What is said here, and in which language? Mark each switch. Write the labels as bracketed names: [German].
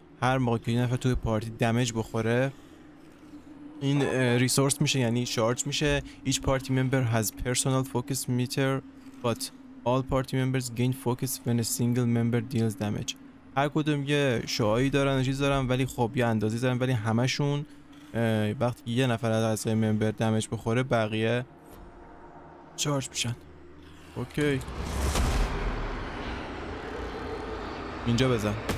[Persian] هر موقع که یه نفر توی پارتی دمیج بخوره این ریسورس میشه، یعنی شارج میشه. [English] Each party member has personal focus meter but all party members gain focus when a single member deals damage. [Persian] هر کدوم یه شعاعی دارن و چیز دارن، ولی خب یه اندازه دارن، ولی همشون وقتی یه نفر از یه ممبر دمیج بخوره بقیه چارج میشن. اوکی اینجا بزن.